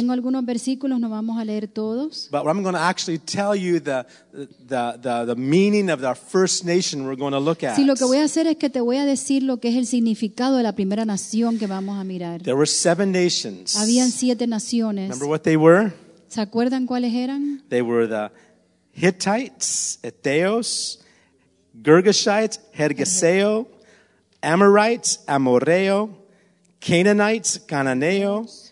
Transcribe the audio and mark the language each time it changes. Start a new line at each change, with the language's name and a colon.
Spanish: Tengo algunos versículos, no vamos a leer todos.
English: But I'm going to actually tell you the meaning of our first nation we're going to look at.
Spanish: Sí, lo que voy a hacer es que te voy a decir lo que es el significado de la primera nación que vamos a mirar.
English: There were seven nations.
Spanish: Habían siete naciones.
English: Remember what they were?
Spanish: ¿Se acuerdan cuáles eran?
English: They were the Hittites, Eteos, Girgashites, Hergeseo, Amorites, Amoreo, Canaanites, Cananeo,